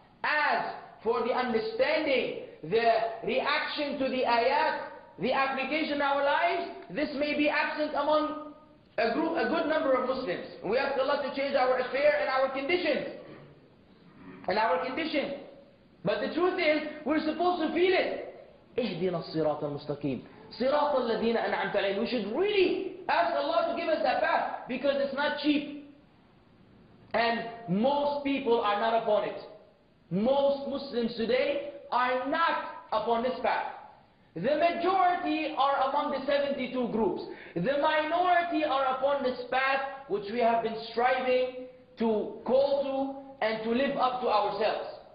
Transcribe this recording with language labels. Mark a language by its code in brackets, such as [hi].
[en] As for the understanding, the reaction to the ayat, the application in our lives, this may be absent among a good number of Muslims. We ask Allah to change our affair and our conditions. And our condition. But the truth is, we're supposed to feel it. [ar] اهدنا الصراط المستقيم صراط الذين أنعمت عليهم. [en] We should really ask Allah to give us that path, because it's not cheap. And most people are not upon it. Most Muslims today are not upon this path. The majority are among the 72 groups. The minority are upon this path, which we have been striving to call to and to live up to ourselves.